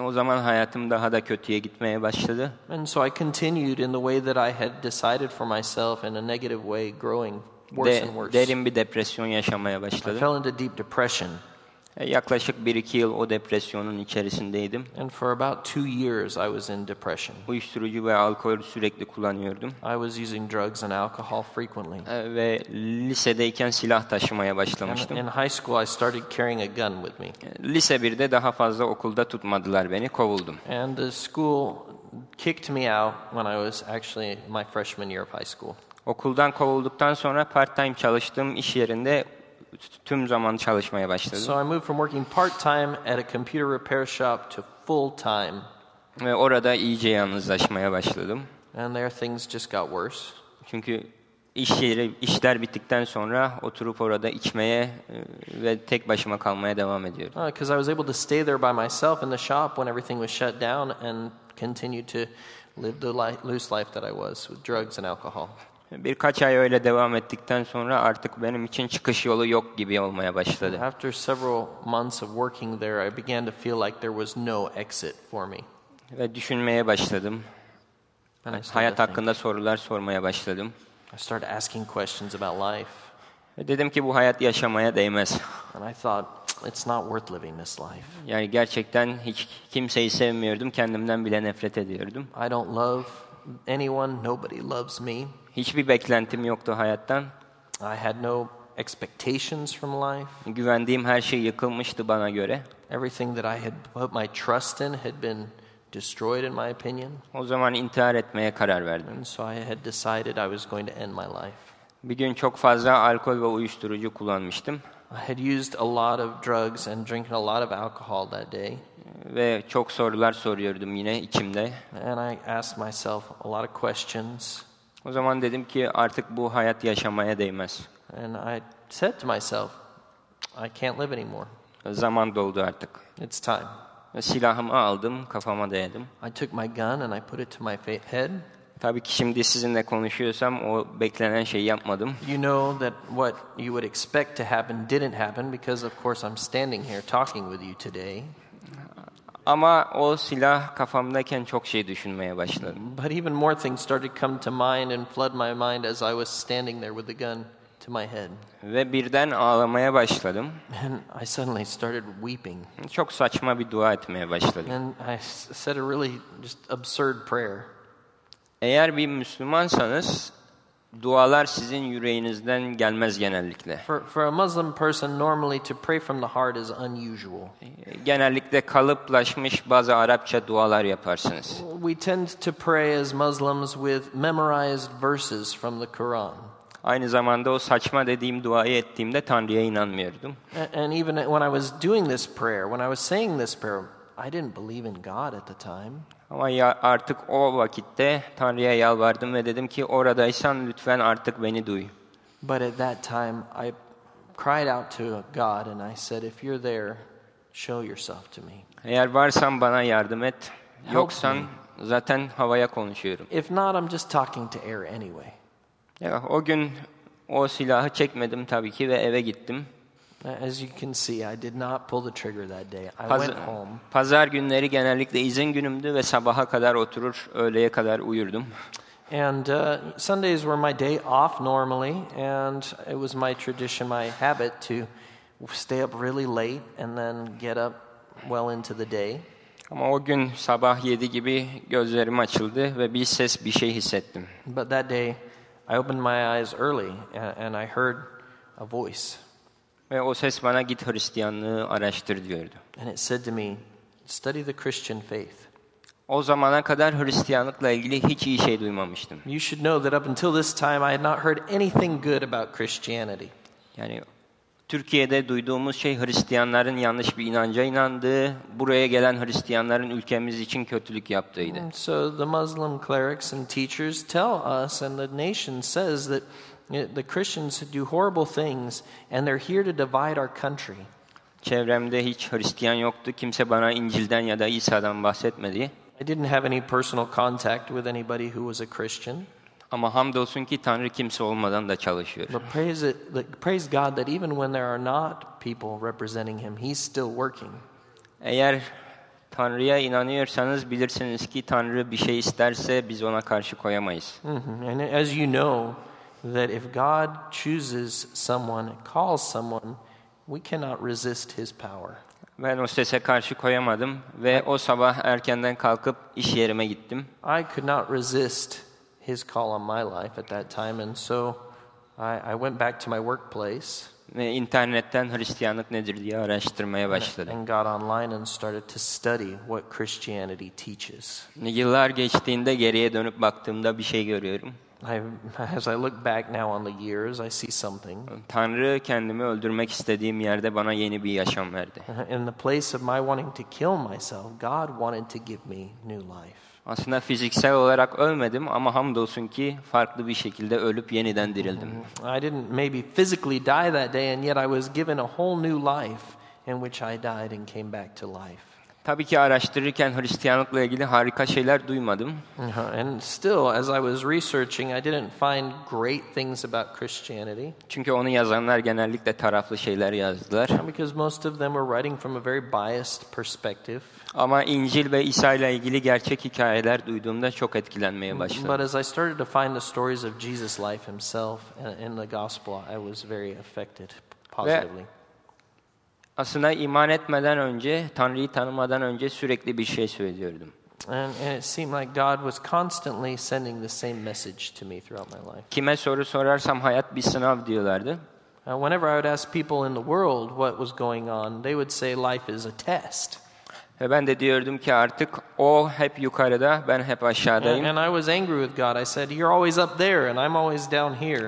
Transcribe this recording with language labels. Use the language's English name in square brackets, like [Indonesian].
[Turkish] O zaman hayatım daha da kötüye gitmeye başladı. [English] And so I continued in the way that I had decided for myself in a negative way, growing worse and worse. [Turkish] Derin bir depresyon yaşamaya başladım. [English] I fell into deep depression. [Turkish] Yaklaşık 1-2 yıl o depresyonun içerisindeydim. [English] And for about 2 years I was in depression. [Turkish] Uyuşturucu ve alkol sürekli kullanıyordum. [English] I was using drugs and alcohol frequently. [Turkish] Ve lisedeyken silah taşımaya başlamıştım. [English] In high school I started carrying a gun with me. [Turkish] Lise 1'de daha fazla okulda tutmadılar beni, kovuldum. [English] And the school kicked me out when I was actually my freshman year of high school. [Turkish] Okuldan kovulduktan sonra part-time çalıştığım iş yerinde tüm zaman çalışmaya başladım. [English] So I moved from working part-time at a computer repair shop to full-time. [Turkish] Ve orada iyice yalnızlaşmaya başladım. [English] And there things just got worse. [Turkish] Çünkü işler bittikten sonra oturup orada içmeye ve tek başıma kalmaya devam ediyordum. [English] Because I was able to stay there by myself in the shop when everything was shut down and continued to live the loose life that I was with drugs and alcohol. [Turkish] Birkaç ay öyle devam ettikten sonra artık benim için çıkış yolu yok gibi olmaya başladı. [English] After several months of working there, I began to feel like there was no exit for me. [Turkish] Ve düşünmeye başladım. Hayat hakkında sorular sormaya başladım. [English] I started asking questions about life. [Turkish] Dedim ki bu hayat yaşamaya değmez. [English] And I thought, it's not worth living this life. [Turkish] Yani gerçekten hiç kimseyi sevmiyordum, kendimden bile nefret ediyordum. [English] I don't love anyone, nobody loves me. [Turkish] Hiçbir beklentim yoktu hayattan. [English] I had no expectations from life. [Turkish] Güvendiğim her şey yıkılmıştı bana göre. [English] Everything that I had put my trust in had been destroyed, in my opinion. [Turkish] O zaman intihar etmeye karar verdim. [English] And so I had decided I was going to end my life. [Turkish] Bir gün çok fazla alkol ve uyuşturucu kullanmıştım. [English] I had used a lot of drugs and drinking a lot of alcohol that day. [Turkish] Ve çok sorular soruyordum yine içimde. [English] And I asked myself a lot of questions. [Turkish] O zaman dedim ki artık bu hayat yaşamaya değmez. [English] And I said to myself, I can't live anymore. [Turkish] Zaman doldu artık. [English] It's time. [Turkish] Silahımı aldım, kafama dayadım. [English] I took my gun and I put it to my head. [Turkish] Tabii ki şimdi sizinle konuşuyorsam o beklenen şeyi yapmadım. [English] You know that what you would expect to happen didn't happen because of course I'm standing here talking with you today. [Turkish] Ama o silah kafamdayken çok şey düşünmeye başladım. [English] But even more things started to come to mind and flood my mind as I was standing there with the gun to my head. [Turkish] Ve birden ağlamaya başladım. [English] And I suddenly started weeping. [Turkish] Çok saçma bir dua etmeye başladım. [English] And I said a really just absurd prayer. [Turkish] Eğer bir Müslümansanız dualar sizin yüreğinizden gelmez genellikle. [English] For a Muslim person, normally to pray from the heart is unusual. [Turkish] Genellikle kalıplaşmış bazı Arapça dualar yaparsınız. [English] We tend to pray as Muslims with memorized verses from the Quran. [Turkish] Aynı zamanda o saçma dediğim duayı ettiğimde Tanrı'ya inanmıyordum. [English] And even when I was doing this prayer, when I was saying this prayer, I didn't believe in God at the time. [Turkish] Ama ya artık o vakitte Tanrı'ya yalvardım ve dedim ki oradaysan lütfen artık beni duy. [English] But at that time I cried out to God and I said, if you're there, show yourself to me. [Turkish] Eğer varsan bana yardım et. Yoksan zaten havaya konuşuyorum. [English] If not, I'm just talking to air anyway. [Turkish] Ya o gün o silahı çekmedim tabii ki ve eve gittim. [English] As you can see, I did not pull the trigger that day. I went home. [Turkish] Pazar günleri genellikle izin günümdü ve sabaha kadar oturur, öğleye kadar uyurdum. [English] And Sundays were my day off normally, and it was my tradition, my habit to stay up really late and then get up well into the day. [Turkish] Ama o gün sabah 7 gibi gözlerim açıldı ve bir ses, bir şey hissettim. [English] But that day, I opened my eyes early and I heard a voice. [Turkish] Ve o ses bana git Hristiyanlığı araştır diyordu. [English] And it said to me, study the Christian faith. [Turkish] O zamana kadar Hristiyanlıkla ilgili hiç iyi şey duymamıştım. [English] You should know that up until this time I had not heard anything good about Christianity. [Turkish] Yani Türkiye'de duyduğumuz şey Hristiyanların yanlış bir inanca inandığı, buraya gelen Hristiyanların ülkemiz için kötülük yaptığıydı. [English] So the Muslim clerics and teachers tell us and the nation says that the Christians do horrible things and they're here to divide our country. [Turkish] Çevremde hiç Hristiyan yoktu. Kimse bana İncil'den ya da İsa'dan bahsetmedi. [English] I didn't have any personal contact with anybody who was a Christian. [Turkish] Ama hamdolsun ki Tanrı kimse olmadan da çalışıyor. [English] But praise God that even when there are not people representing him, he's still working. [Turkish] Eğer Tanrı'ya inanıyorsanız bilirsiniz ki Tanrı bir şey isterse biz ona karşı koyamayız. [English] And as you know, that if God chooses someone, calls someone, We cannot resist his power. [Turkish] Ben o sese karşı koyamadım ve o sabah erkenden kalkıp iş yerime gittim. [English] I could not resist his call on my life at that time, and so I went back to my workplace. [Turkish] Ve internetten Hristiyanlık nedir diye araştırmaya başladım. [English] And got online and started to study what Christianity teaches. [Turkish] Yıllar geçtiğinde geriye dönüp baktığımda bir şey görüyorum. [English] As I look back now on the years, I see something. [Turkish] Tanrı kendimi öldürmek istediğim yerde bana yeni bir yaşam verdi. [English] In the place of my wanting to kill myself, God wanted to give me new life. [Turkish] Aslında fiziksel olarak ölmedim ama hamdolsun ki farklı bir şekilde ölüp yeniden dirildim. [English] I didn't maybe physically die that day, and yet I was given a whole new life in which I died and came back to life. [Turkish] Tabii ki araştırırken Hristiyanlıkla ilgili harika şeyler duymadım. [English] And still, as I was researching, I didn't find great things about Christianity. [Turkish] Çünkü onu yazanlar genellikle taraflı şeyler yazdılar. [English] Because most of them were writing from a very biased perspective. [Turkish] Ama İncil ve İsa ile ilgili gerçek hikayeler duyduğumda çok etkilenmeye başladım. [English] But as I started to find the stories of Jesus' life himself in the gospel, I was very affected positively. [Turkish] Aslında iman etmeden önce, Tanrı'yı tanımadan önce sürekli bir şey söylüyordum. [English] And it seemed like God was constantly sending the same message to me throughout my life. [Turkish] Kime soru sorarsam hayat bir sınav diyorlardı. [English] Whenever I would ask people in the world what was going on, they would say life is a test. [Turkish] Ve ben de diyordum ki artık o hep yukarıda, ben hep aşağıdayım. [English] And I was angry with God. I said, you're always up there and I'm always down here.